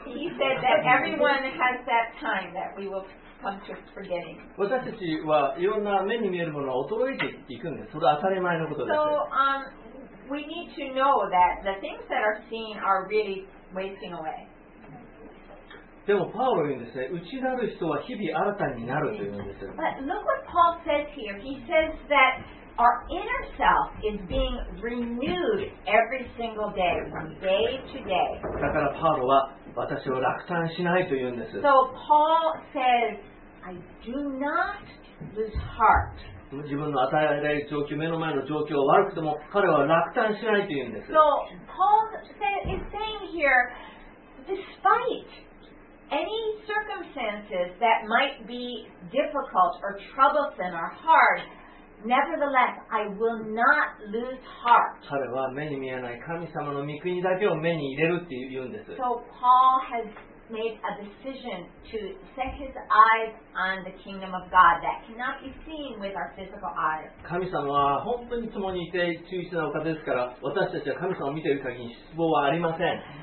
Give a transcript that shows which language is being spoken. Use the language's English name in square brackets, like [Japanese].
[English] He said that everyone has that time that we will come to forgetting. [Japanese] 私たちはいろんな目に見えるものは衰えていくんです。それは当たり前のことです。 [English] So, we need to know that the things that are seen are really wasting away. [Japanese] でもパウロ言うんですね。内なる人は日々新たになるというんです。 [English] But look what Paul says here. He says that our inner self is being renewed every single day, from day to day. [Japanese] だからパウロは私を落胆しないと言うんです。 [English] So Paul says, I do not lose heart. [Japanese] 自分の与えられる状況、目の前の状況は悪くても彼は落胆しないと言うんです。 [English] So Paul is saying here, despite any circumstances that might be difficult or troublesome or hard, nevertheless, I will not lose heart. [Japanese] 彼は目に見えない神様の御国だけを目に入れるって言うんです。 [English] So Paul has made a decision to set his eyes on the kingdom of God that cannot be seen with our physical eyes. [Japanese] 神様は本当に共にいて忠実なお方ですから、私たちは神様を見ている限り失望はありません。